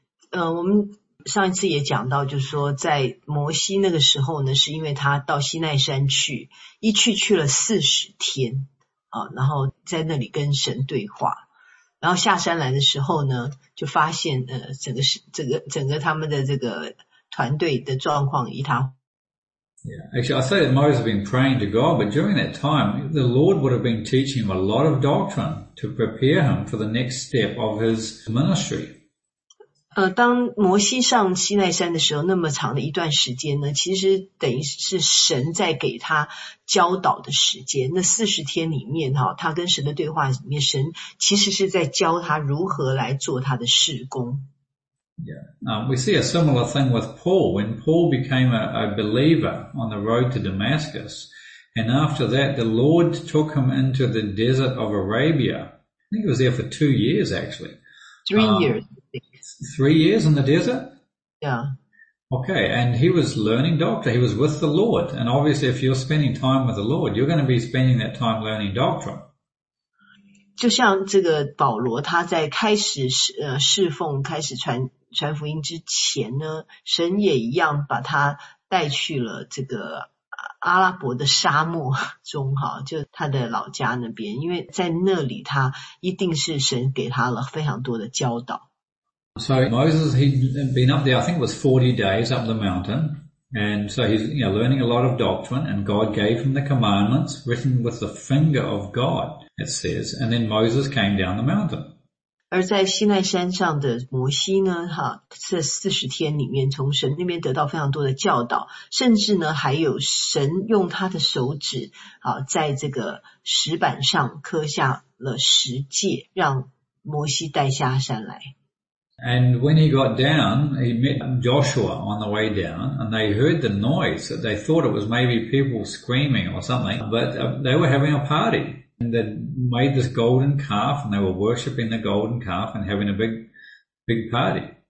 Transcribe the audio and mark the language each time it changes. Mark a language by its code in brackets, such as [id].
[zh] 我们上一次也讲到就是说在摩西那个时候呢是因为他到西奈山去，一去去了四十天然后在那里跟神对话。然后下山来的时候呢就发现整个他们的这个团队的状况一塌。 [en] Yeah, actually, I say that Moses had been praying to God, but during that time, the Lord would have been teaching him a lot of doctrine to prepare him for the next step of his ministry. [zh] 当摩西上西奈山的时候，那么长的一段时间呢，其实等于是神在给他教导的时间。那四十天里面他跟神的对话里面，神其实是在教他如何来做他的事工。 [en] Yeah, we see a similar thing with Paul. When Paul became a believer on the road to Damascus, and after that, the Lord took him into the desert of Arabia. I think he was there for 2 years, actually. Three years in the desert? Yeah. Okay, and he was learning doctrine. He was with the Lord. And obviously, if you're spending time with the Lord, you're going to be spending that time learning doctrine. [zh] 就像这个保罗他在开始侍奉开始传福音之前呢，神也一样把他带去了这个阿拉伯的沙漠中就他的老家那边，因为在那里他一定是神给他了非常多的教导。 [en] So Moses, he'd been up there, I think it was 40 days up the mountain. And so he's learning a lot of doctrine, and God gave him the commandments written with the finger of God, it says. And then Moses came down the mountain. [zh] 而在西奈山上的摩西呢这四十天里面从神那边得到非常多的教导，甚至呢还有神用他的手指在这个石板上刻下了十诫，让摩西带下山来。 [en] And when he got down, he met Joshua on the way down, and they heard the noise. They thought it was maybe people screaming or something, but they were having a party. And they made this golden calf, and they were worshipping the golden calf and having a big party.